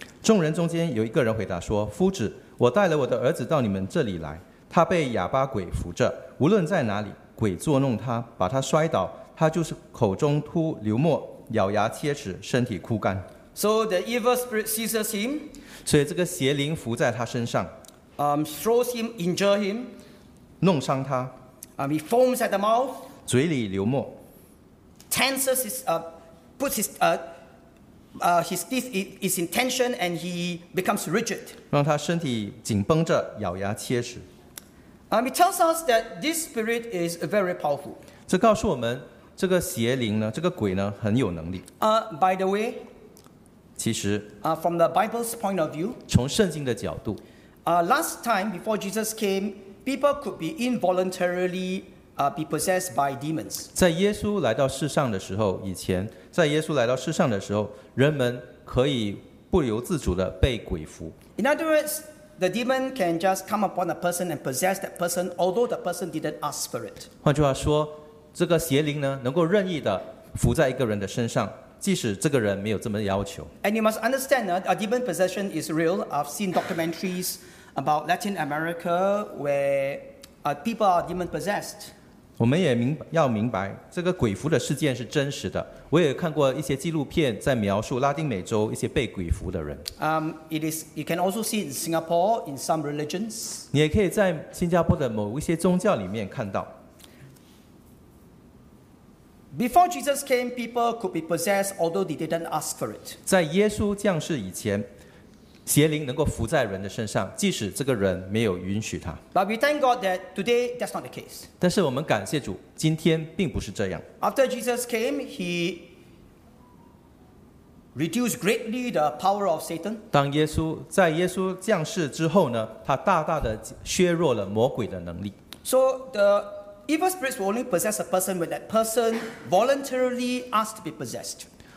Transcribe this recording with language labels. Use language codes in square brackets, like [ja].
[zh] 众人中间有一个人回答说，夫子，我带了我的儿子到你们这里来，他被哑巴鬼扶着，无论在哪里，鬼作弄他，把他摔倒，他就是口中吐流沫，咬牙切齿，身体枯干。 [en] So the evil spirit seizes him. [zh] 所以这个邪灵附在他身上。 [en] Throws him, injure him. [zh] 弄伤他。 [en] He foams at the mouth. [zh] 嘴里流沫。 [en] Tenses his, puts his, his teeth is in tension and he becomes rigid. [zh] 让他身体紧绷着，咬牙切齿。 [en] It tells us that this spirit is very powerful. [zh] 这告诉我们，这个邪灵呢，这个鬼呢，很有能力。 [en] By the way. [zh] 其实， [en] from the Bible's point of view, [zh] 从圣经的角度， [en] last time before Jesus came, people could be involuntarily, be possessed by demons. [zh] 在耶稣来到世上的时候，以前，在耶稣来到世上的时候，人们可以不由自主的被鬼附。 [en] In other words, the demon can just come upon a person and possess that person, although the person didn't ask for it. [zh] 换句话说，这个邪灵呢，能够任意的附在一个人的身上。即使这个人没有这么要求。 [en] And you must understand, a demon possession is real. I've seen documentaries about Latin America where people are demon possessed. [zh] 我们也明要明白这个鬼符的事件是真实的。我也看过一些纪录片在描述拉丁美洲一些被鬼符的人。 [en] You can also see in Singapore in some religions. [zh] 你也可以在新加坡的某一些宗教里面看到。 [en] Before Jesus came, people could be possessed, although they didn't ask for it. [zh] 在耶稣降世以前，邪灵能够附在人的身上，即使这个人没有允许他。 [en] But we thank God that today that's not the case. [zh] 但是我们感谢主，今天并不是这样。 [en] After Jesus came, he reduced greatly the power of Satan. [zh] 当耶稣在耶稣降世之后呢，他大大的削弱了魔鬼的能力。 [en] So the evil spirits will only possess a person when that person voluntarily asks to be possessed.